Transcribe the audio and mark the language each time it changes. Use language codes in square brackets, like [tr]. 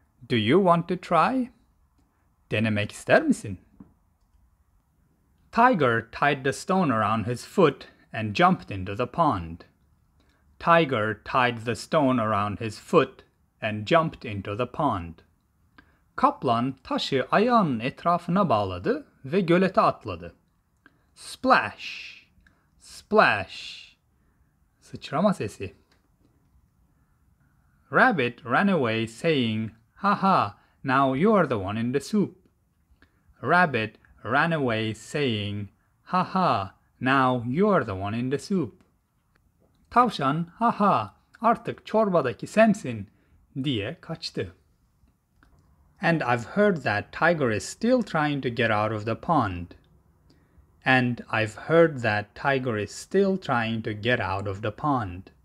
[en] Do you want to try? [tr] Denemek ister misin? [en] Tiger tied the stone around his foot and jumped into the pond. Tiger tied the stone around his foot and jumped into the pond. [tr] Kaplan taşı ayağının etrafına bağladı ve gölete atladı. [en] Splash! Splash! [tr] Sıçrama sesi. [en] Rabbit ran away saying, "Ha ha, now you are the one in the soup." Rabbit ran away saying, "Ha ha, now you are the one in the soup." [tr] Tavşan, "Ha ha, artık çorbadaki sensin," diye kaçtı. [en] And I've heard that tiger is still trying to get out of the pond. And I've heard that tiger is still trying to get out of the pond.